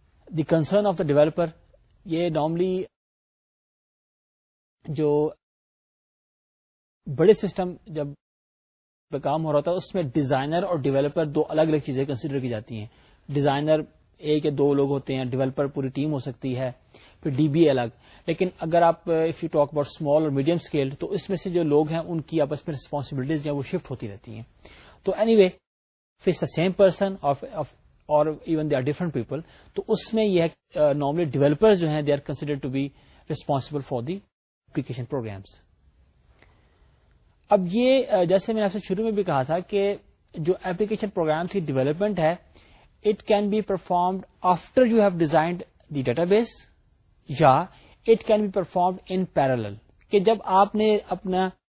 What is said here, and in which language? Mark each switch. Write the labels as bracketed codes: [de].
[en] The concern of the developer, [ur] یہ normally جو بڑے system جب پہ کام ہو رہا تھا اس میں designer اور developer دو الگ الگ چیزیں consider کی جاتی ہیں. designer ایک یا دو لوگ ہوتے ہیں, developer پوری ٹیم ہو سکتی ہے, پھر ڈی بی الگ. لیکن اگر آپ [en] if you talk about small اور medium scale [ur] تو اس میں سے جو لوگ ہیں ان کی آپس میں ریسپانسبلٹیز جو ہیں وہ شفٹ ہوتی رہتی ہیں. [en] تو anyway face the same person اور even they are different people, [ur] تو اس میں یہ نارملی ڈیولپر جو ہیں [en] They are consider to be responsible for the application programs. [ur] اب یہ جیسے میں نے آپ سے شروع میں بھی کہا تھا کہ جو اپلیکیشن پروگرامس کی ڈیولپمنٹ ہے [en] it can be performed after you have designed the database, [ur] یا [en] it can be performed in parallel, [ur] کہ جب آپ نے اپنا